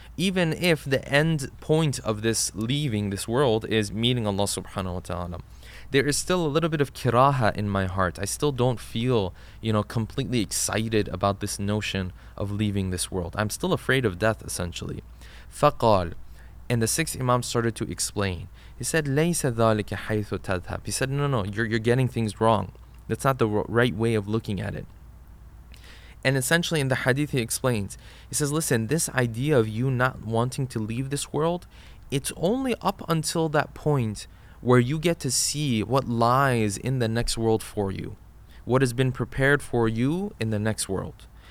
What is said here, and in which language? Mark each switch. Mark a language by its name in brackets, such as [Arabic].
[English] Even if the end point of this leaving this world is meeting Allah subhanahu wa ta'ala, there is still a little bit of kiraha in my heart. I still don't feel, you know, completely excited about this notion of leaving this world. I'm still afraid of death, essentially. [Arabic] فَقَالَ. [English] And the sixth Imam started to explain. He said, [Arabic] لَيْسَ ذَلِكَ حَيْثُ تَذْهَبْ. [English] He said, no, you're getting things wrong. That's not the right way of looking at it. And essentially in the hadith he explains, he says, listen, this idea of you not wanting to leave this world, it's only up until that point where you get to see what lies in the next world for you, what has been prepared for you in the next world.